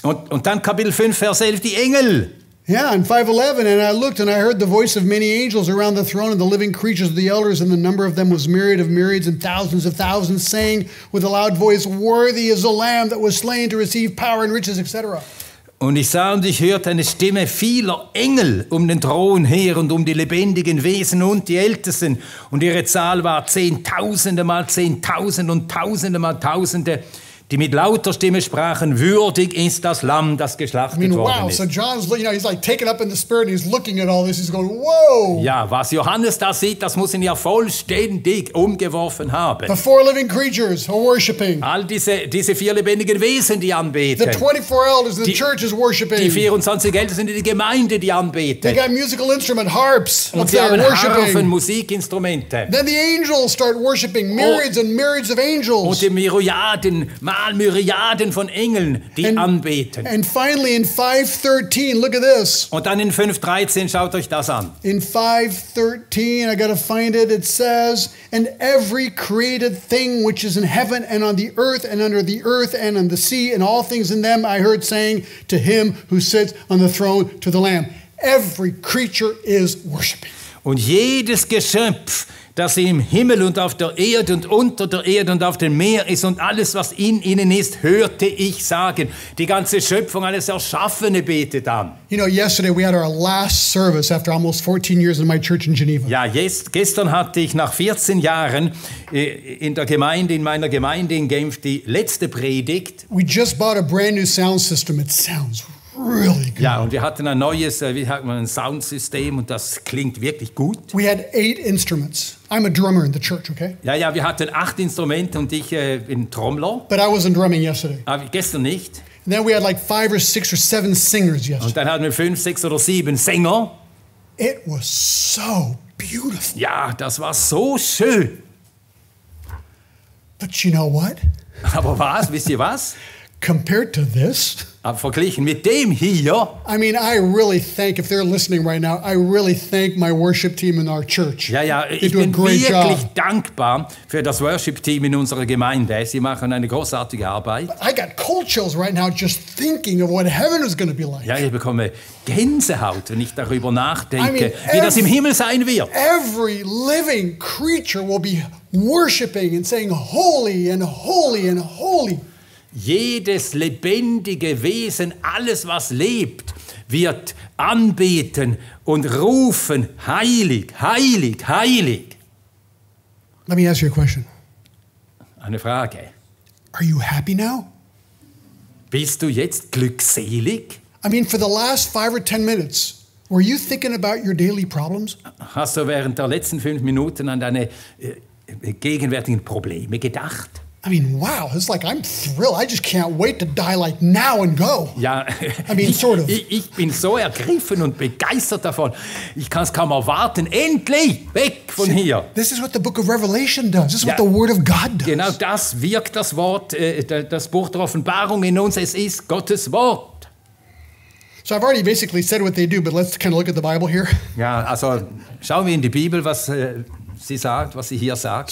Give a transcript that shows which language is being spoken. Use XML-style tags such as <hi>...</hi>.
<de>Und dann Kapitel 5, Vers 11, die Engel.</de> <en>Yeah, in 5:11, and I looked and I heard the voice of many angels around the throne and the living creatures of the elders, and the number of them was myriad of myriads and thousands of thousands, saying with a loud voice, worthy is the Lamb that was slain to receive power and riches, etc.</en> <de>Und ich sah und ich hörte eine Stimme vieler Engel um den Thron her und um die lebendigen Wesen und die Ältesten. Und ihre Zahl war Zehntausende mal Zehntausende und Tausende mal Tausende, die mit lauter Stimme sprachen, würdig ist das Lamm, das geschlachtet worden ist.</de> <en>So John's, you know, he's like taken up in the spirit, he's looking at all this, he's going, whoa!</en> <de>Ja, was Johannes da sieht, das muss ihn ja vollständig umgeworfen haben.</de> <en>The four living creatures are worshiping.</en> <de>All diese vier lebendigen Wesen, die anbeten.</de> <en>The 24 elders in the church is worshiping.</en> <de>Die 24 Ältesten in der Gemeinde, die anbeten.</de> <en>They got musical instruments, harps,</en> <de>und sie haben worshiping. Harfen, Musikinstrumente.</de> <en>Then the angels start worshiping, myriads and myriads of angels.</en> <de>Und die Myriaden, mal Myriaden von Engeln, die anbeten.</de> <en>And finally in 5:13, look at this.</en> <de>Und dann in 5:13, schaut euch das an.</de> <en>In 5:13, I gotta find it, it says, and every created thing which is in heaven and on the earth and under the earth and on the sea and all things in them, I heard saying to him who sits on the throne, to the Lamb. Every creature is worshiping.</en> <de>Und jedes Geschöpf, das im Himmel und auf der Erde und unter der Erde und auf dem Meer ist und alles, was in ihnen ist, hörte ich sagen. Die ganze Schöpfung, alles Erschaffene betet an.</de> <en>You know, yesterday we had our last service after almost 14 years in my church in Geneva.</en> <de>Ja, gestern hatte ich nach 14 Jahren in der Gemeinde, in meiner Gemeinde in Genf, die letzte Predigt.</de> <en>We just bought a brand new sound system. It sounds really good.</en> <de>Ja, und wir hatten ein neues, wir hatten ein Soundsystem und das klingt wirklich gut.</de> <en>We had 8 instruments. I'm a drummer in the church, okay?</en> <de>Ja, ja, wir hatten 8 Instrumente und ich bin Trommler.</de> <en>But I wasn't drumming yesterday.</en> <de>Aber gestern nicht.</de> <en>And then we had like 5 or 6 or 7 singers yesterday.</en> <de>Und dann hatten wir 5, 6 oder 7 Sänger.</de> <en>It was so beautiful.</en> <de>Ja, das war so schön.</de> <en>But you know what?</en> <de>Aber was, wisst ihr was?</de> <en>Compared to this,</en> <de>aber verglichen mit dem hier.</de> <en>I mean, I really thank, if they're listening right now, I really thank my worship team in our church.</en> <de>Ja, ja, ich bin wirklich dankbar für das Worship Team in unserer Gemeinde. Sie machen eine großartige Arbeit.</de> <en>But I got cold chills right now just thinking of what heaven is going to be like.</en> <de>Ja, ich bekomme Gänsehaut, wenn ich darüber nachdenke, wie das im Himmel sein wird.</de> <en>Every living creature will be worshiping and saying holy and holy and holy.</en> <de>Jedes lebendige Wesen, alles was lebt, wird anbeten und rufen, heilig, heilig, heilig.</de> <en>Let me ask you a question.</en> <de>Eine Frage.</de> <en>Are you happy now?</en> <de>Bist du jetzt glückselig?</de> <en>I mean, for the last 5 or 10 minutes, were you thinking about your daily problems?</en> <de>Hast du während der letzten 5 Minuten an deine gegenwärtigen Probleme gedacht?</de> <en>I mean, wow, it's like I'm thrilled. I just can't wait to die like now and go.</en> <de>Ja,</de> <en>I mean, sort of.</en> <de>Ich bin so ergriffen und begeistert davon. Ich kann es kaum erwarten. Endlich weg von hier.</de> <en>This is what the book of Revelation does. This is what the word of God does.</en> <de>Genau das wirkt das Wort, das Buch der Offenbarung in uns. Es ist Gottes Wort.</de> <en>So I've already basically said what they do, but let's kind of look at the Bible here.</en> <de>Ja, also schauen wir in die Bibel, was sie sagt, was sie hier sagt.</de>